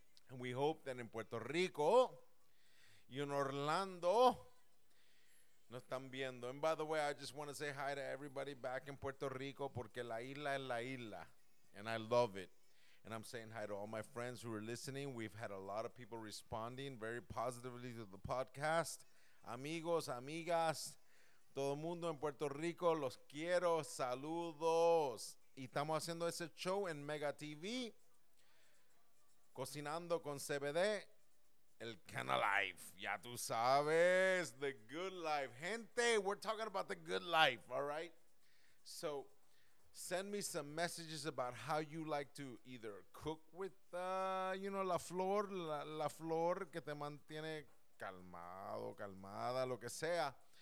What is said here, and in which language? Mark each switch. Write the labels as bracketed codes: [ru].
[en] And we hope that in Puerto Rico [es] y en Orlando nos están viendo. [en] And by the way, I just want to say hi to everybody back in Puerto Rico, [es] porque la isla es la isla. [en] And I love it. And I'm saying hi to all my friends who are listening. We've had a lot of people responding very positively to the podcast. [es] Amigos, amigas, todo el mundo en Puerto Rico, los quiero, saludos. Y estamos haciendo ese show en Mega TV, Cocinando con CBD, el Kana Life. Ya tú sabes, [en] the good life. Gente, we're talking about the good life, all right? So send me some messages about how you like to either cook with, you know, [es] la flor que te mantiene calmado, calmada, lo que sea.